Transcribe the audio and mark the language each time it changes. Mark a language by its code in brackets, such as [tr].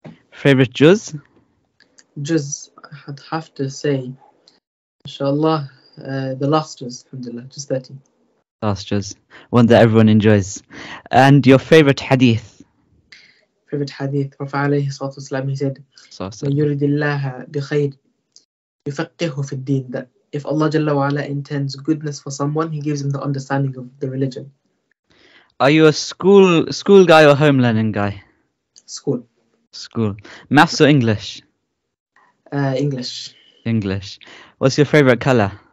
[en] Favorite juz? Juz, I'd have to say, inshallah, the last juz, alhamdulillah, juz 30. Last juz, one that everyone enjoys. And your favorite hadith? Favorite hadith, Rafa alayhi salatu wasalam, he said, [ar] من يريد الله بخير يفقهه في الدين. [en] That if Allah Jalla wa'ala intends goodness for someone, He gives him the understanding of the religion. Are you a school guy or home learning guy? School. Maths or English? English. What's your favorite color?